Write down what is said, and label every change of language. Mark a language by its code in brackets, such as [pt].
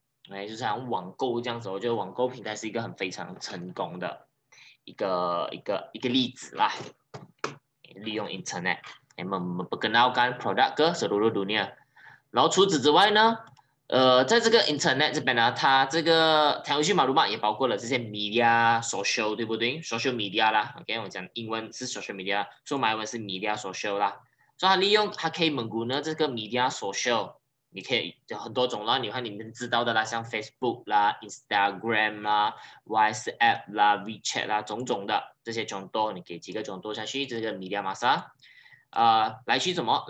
[zh] 哎，就像网购这样子，我觉得网购平台是一个很非常成功的一个例子啦。利用 [ms] internet， 哎，memperkenalkan produk ke seluruh dunia。 [zh] 然后除此之外呢？在这个 internet 这边呢，它这个 [ms] technology maklumat [zh] 也包括了这些 media social， 对不对？ social media 啦， OK， 我讲英文是 social media， 说马来文是 [ms] media social [zh] 啦。所以它利用它可以 [ms] menggunakan [zh] 这个 media social， 你可以有很多种啦，你看你们知道的啦，像 Facebook 啦、Instagram 啦、WhatsApp 啦、WeChat 啦，种种的这些众多，你给几个众多下去，这个 [ms] media masa， [zh] 来去什么？